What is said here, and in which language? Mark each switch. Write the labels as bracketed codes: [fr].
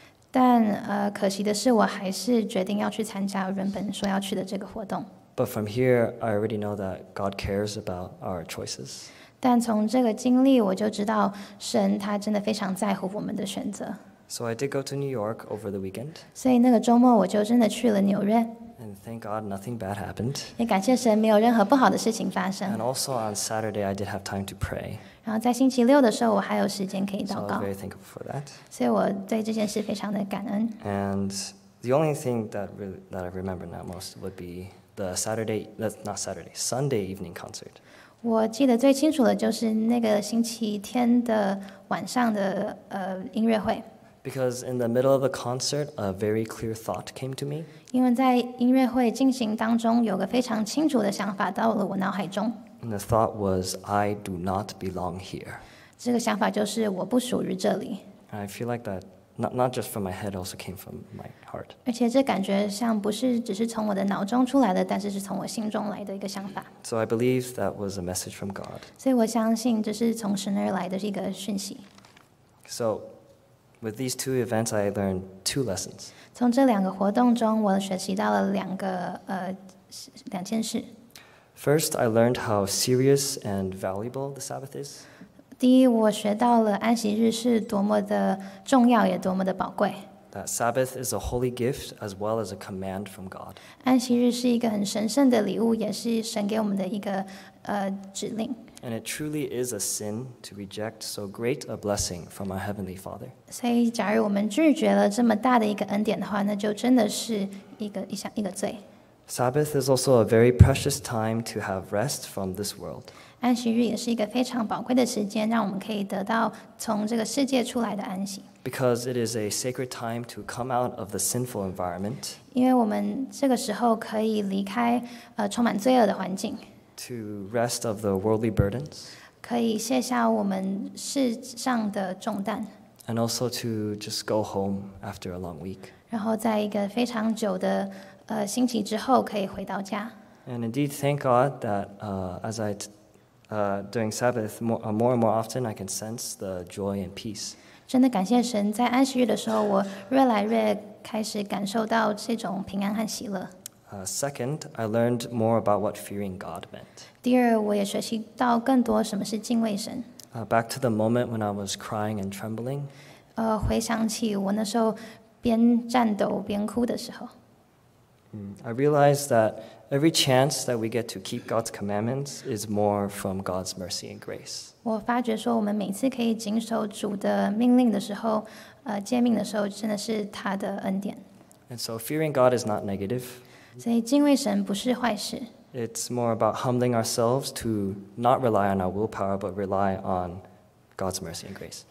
[zh] 但可惜的是，我还是决定要去参加原本说要去的这个活动。 [en] But from here, I already know that God cares about our choices. [zh] 但从这个经历，我就知道神他真的非常在乎我们的选择。 [en] So I did go to New York over the weekend. [zh] 所以那个周末我就真的去了纽约。 [en] And thank God nothing bad happened. [zh] 也感谢神没有任何不好的事情发生。 [en] And also on Saturday I did have time to pray. [zh] 然后在星期六的时候我还有时间可以祷告。 [en] So I'm very thankful for that. [zh] 所以我对这件事非常的感恩。 [en] And the only thing that I remember now most would be the Sunday evening concert. [zh] 我记得最清楚的就是那个星期天的晚上的音乐会。 [en] Because in the middle of the concert, a very clear thought came to me. [zh] 因为在音乐会进行当中，有个非常清楚的想法到了我脑海中。 [en] And the thought was, I do not belong here. [zh] 这个想法就是我不属于这里。 [en] I feel like that not just from my head, also came from my heart. [zh] 而且这感觉像不是只是从我的脑中出来的，但是是从我心中来的一个想法。 [en] So I believe that was a message from God. [zh] 所以我相信这是从神而来的一个讯息。 [en] So. With these two events, I learned two lessons. [zh] 从这两个活动中，我学习到了两件事。 [en] First, I learned how serious and valuable the Sabbath is. [zh] 第一，我学到了安息日是多么的重要，也多么的宝贵。 [en] That Sabbath is a holy gift as well as a command from God. [zh] 安息日是一个很神圣的礼物，也是神给我们的一个指令。 [en] And it truly is a sin to reject so great a blessing from our Heavenly Father. [zh] 所以假如我们拒绝了这么大的一个恩典的话，那就真的是一个罪。 [en] Sabbath is also a very precious time to have rest from this world. [zh] 安息日也是一个非常宝贵的时间，让我们可以得到从这个世界出来的安息。 [en] Because it is a sacred time to come out of the sinful environment. [zh] 因为我们这个时候可以离开充满罪恶的环境。 [en] To rest of the worldly burdens, [zh] 可以卸下我们世上的重担 [en] and also to just go home after a long week. [zh] 然后在一个非常久的星期之后可以回到家 [en] And indeed, thank God that during Sabbath, more and more often, I can sense the joy and peace. [zh] 真的感谢神，在安息日的时候，我越来越开始感受到这种平安和喜乐。 [en] Second, I learned more about what fearing God meant. [zh] 第二，我也学习到更多什么是敬畏神。 [en] Back to the moment when I was crying and trembling. [zh] 回想起我那时候边颤抖边哭的时候。 [en] I realized that every chance that we get to keep God's commandments is more from God's mercy and grace. [zh] 我发觉说，我们每次可以谨守主的命令的时候，诫命的时候，真的是他的恩典。 [en] And so fearing God is not negative. [zh] 所以敬畏神不是坏事。 [en] It's more about humbling ourselves to not rely on our willpower, but rely on God's mercy and grace.